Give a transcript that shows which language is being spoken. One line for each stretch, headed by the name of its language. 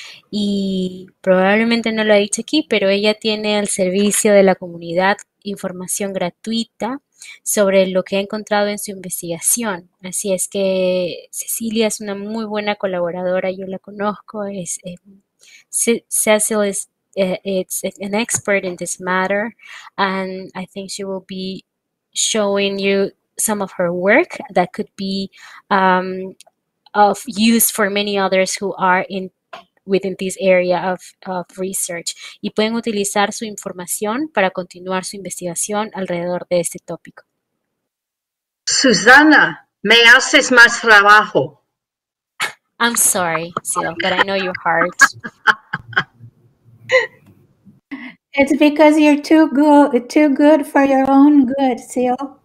Spanish: Y probablemente no lo ha dicho aquí, pero ella tiene al servicio de la comunidad información gratuita sobre lo que ha encontrado en su investigación. Así es que Cecilia es una muy buena colaboradora, yo la conozco.
English: Cecil es an expert in this matter, and I think she will be showing you some of her work that could be of use for many others who are in within this area of research.
Spanish: Y pueden utilizar su información para continuar su investigación alrededor de este tópico. Susana, me haces más trabajo.
English: I'm sorry, Sil, but I know your heart. It's because you're too good for your own good, Seal.